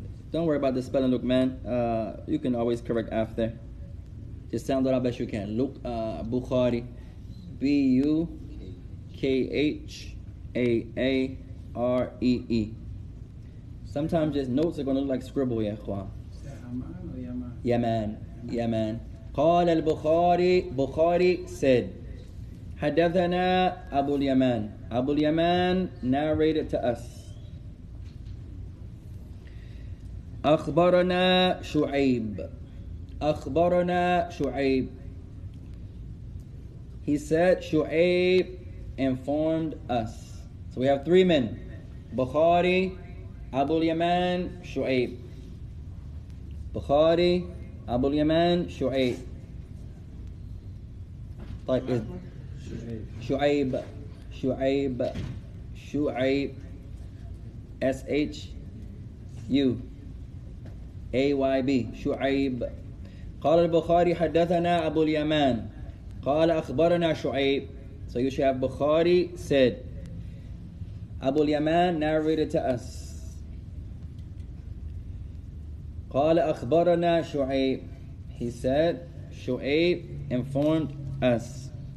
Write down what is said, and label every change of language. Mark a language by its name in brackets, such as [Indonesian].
[English] Don't worry about the spelling, Luqman. You can always correct after. Just sound the best you can. Look, Bukhari. B-U-K-H-A-A-R-E-E. Sometimes just notes are going to look like scribble, ya ikhwan. Yaman. Yaman. Yaman. [Arabic] قال البخاري بخاري said حدثنا أبو اليمان. [English] أبو اليمان narrated to us. [Arabic] أخبرنا شعيب. أخبرنا شعيب. [English] He said شعيب informed us. So we have three men: بخاري, أبو اليمان, شعيب. [Arabic] بخاري, أبو اليمان, شعيب. طيب شعيب شعيب شعيب S H U A Y B شعيب. قال البخاري حدثنا أبو اليمان قال أخبرنا شعيب. [English] So you should have Bukhari said أبو اليمان narrated to us. [Arabic] قال أخبرنا شعيب. [English] He said شعيب informed us.